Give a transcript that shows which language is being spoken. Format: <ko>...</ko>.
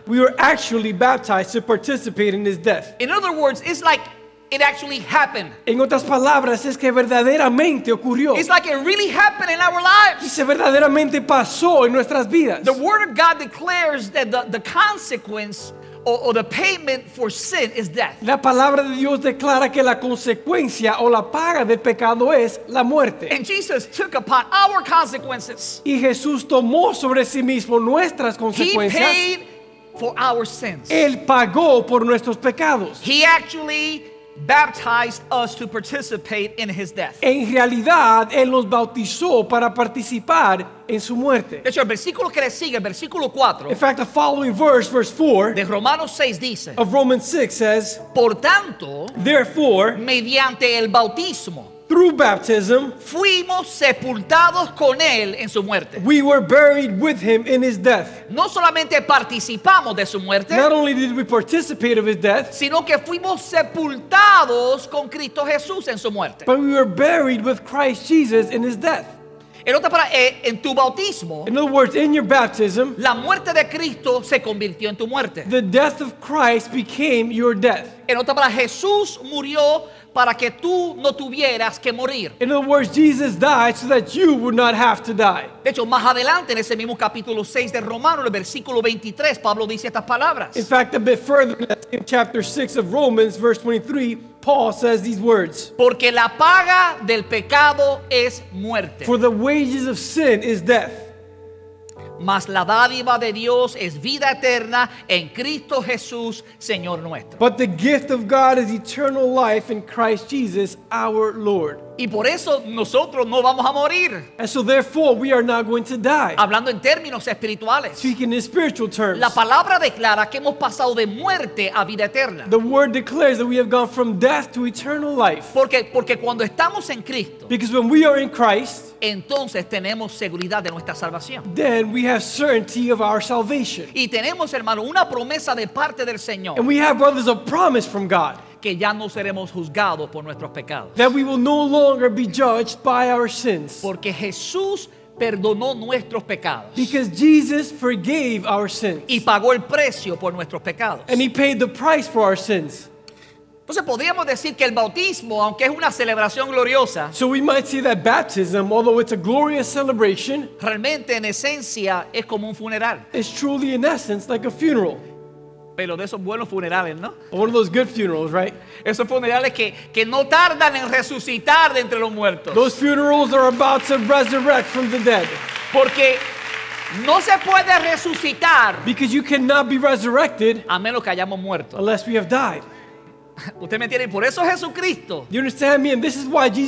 <en>We were actually baptized to participate in his death. In other words, it's like it actually happened.</en> <es>En otras palabras, es que verdaderamente ocurrió.</es> <en>It's like it really happened in our lives.</en> <es>Y se verdaderamente pasó en nuestras vidas.</es> <en>The word of God declares that the consequence or the payment for sin is death.</en> <es>La palabra de Dios declara que la consecuencia o la paga del pecado es la muerte.</es> <en>And Jesus took upon our consequences.</en> <es>Y Jesús tomó sobre sí mismo nuestras consecuencias.</es> <en>He paid for our sins.</en> <es>Él pagó por nuestros pecados.</es> <en>He actually baptized us to participate in his death.</en> <es>En realidad, él nos bautizó para participar en su muerte. De hecho, el versículo que le sigue, el versículo 4.</es> <en>In fact, the following verse, verse 4.</en> <es>De Romanos 6 dice.</es> <en>Of Romans 6 says.</en> <es>Por tanto.</es> <en>Therefore.</en> <es>Mediante el bautismo.</es> <en>Through baptism.</en> <es>Fuimos sepultados con él en su muerte.</es> <en>We were buried with him in his death.</en> <es>No solamente participamos de su muerte.</es> <en>Not only did we participate of his death.</en> <es>Sino que fuimos sepultados con Cristo Jesús en su muerte.</es> <en>But we were buried with Christ Jesus in his death.</en> <es>En otra palabra, en tu bautismo.</es> <en>In other words, in your baptism.</en> <es>La muerte de Cristo se convirtió en tu muerte.</es> <en>The death of Christ became your death.</en> <es>En otra palabra, Jesús murió para que tú no tuvieras que morir.</es> <en>In other words, Jesus died so that you would not have to die.</en> <es>De hecho, más adelante en ese mismo capítulo 6 de Romanos, el versículo 23, Pablo dice estas palabras.</es> <en>In fact, a bit further in chapter 6 of Romans, verse 23, Paul says these words.</en> <es>Porque la paga del pecado es muerte.</es> <en>For the wages of sin is death.</en> <es>Mas la dádiva de Dios es vida eterna en Cristo Jesús, Señor nuestro.</es> <en>But the gift of God is eternal life in Christ Jesus, our Lord.</en> <es>Y por eso nosotros no vamos a morir.</es> <en>And so therefore we are not going to die.</en> <es>Hablando en términos espirituales.</es> <en>Speaking in spiritual terms.</en> <es>La palabra declara que hemos pasado de muerte a vida eterna.</es> <en>The word declares that we have gone from death to eternal life.</en> <es>Porque cuando estamos en Cristo.</es> <en>Because when we are in Christ.</en> <es>Entonces tenemos seguridad de nuestra salvación.</es> <en>Then we have certainty of our salvation.</en> <es>Y tenemos, hermano, una promesa de parte del Señor.</es> <en>And we have, brothers, a promise from God.</en> <es>Que ya no seremos juzgados por nuestros pecados.</es> <en>That we will no longer be judged by our sins.</en> <es>Porque Jesús perdonó nuestros pecados.</es> <en>Because Jesus forgave our sins.</en> <es>Y pagó el precio por nuestros pecados.</es> <en>And he paid the price for our sins.</en> <es>Entonces podríamos decir que el bautismo, aunque es una celebración gloriosa,</es> <en>so we might say that baptism, although it's a glorious celebration,</en> <es>realmente en esencia es como un funeral.</es> <en>It's truly in essence like a funeral.</en> <es>Pero de esos buenos funerales, ¿no?</es> <en>One of those good funerals, right?</en> <es>Esos funerales que no tardan en resucitar de entre los muertos.</es> <en>Those funerals are about to resurrect from the dead.</en> <es>Porque no se puede resucitar.</es> <en>Because you cannot be resurrected.</en> <es>A menos que hayamos muerto.</es> <en>Unless we have died.</en> <es>Usted me entiende, por eso Jesucristo.</es> <en>You understand me, and this is why Jesus</en>